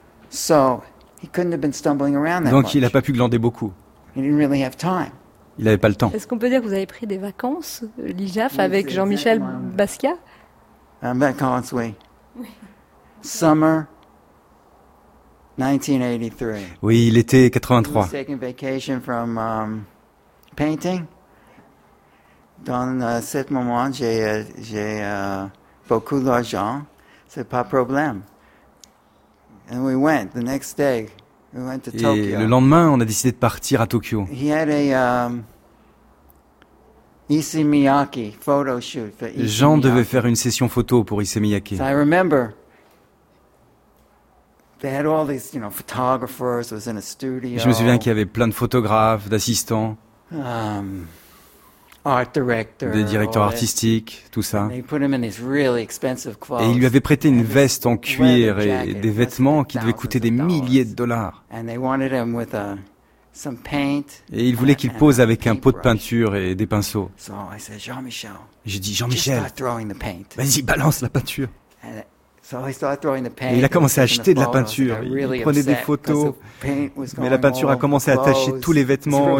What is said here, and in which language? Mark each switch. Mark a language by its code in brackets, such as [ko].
[en] So, he couldn't have been stumbling around that [fr] Donc [en] much. [fr] Il n'a pas pu glander beaucoup. [en] He didn't really have time. [fr] Il n'avait pas le temps. Est-ce qu'on peut dire que vous avez pris des vacances, l'IJAF, avec Jean-Michel Basquiat? Vacances, oui. [en] Summer 1983. [fr] Oui, l'été 83. [en] He was taking vacation from painting. [fr] Dans cet moment, j'ai beaucoup d'argent. C'est pas problème. [en] And we went the next day. We went to Tokyo. [fr] Et le lendemain, on a décidé de partir à Tokyo. [en] He had a Issey Miyake photo shoot for Issey [fr] Jean [en] Miyake. [fr] Devait faire une session photo pour Issey Miyake. [en] So I remember they had all these, you know, photographers. Was in a studio. [fr] Et je me souviens qu'il y avait plein de photographes, d'assistants, [en] art director, [fr] des directeurs artistiques, tout ça. [en] And they put him in these really expensive clothes. [fr] Et ils lui avaient prêté une veste en cuir et des vêtements qui devaient coûter des milliers de dollars. [en] And they wanted him with a some paint, [fr] et il voulait qu'il pose avec un pot de peinture et des pinceaux. [en] So I said, Jean-Michel, [fr] j'ai dit, Jean-Michel, [en] just start throwing the paint. [fr] Vas-y, balance la peinture. [en] And so I started throwing the paint. [fr] Et il a commencé à acheter de la peinture. Il prenait des photos. Mais la peinture a commencé à tacher tous les vêtements.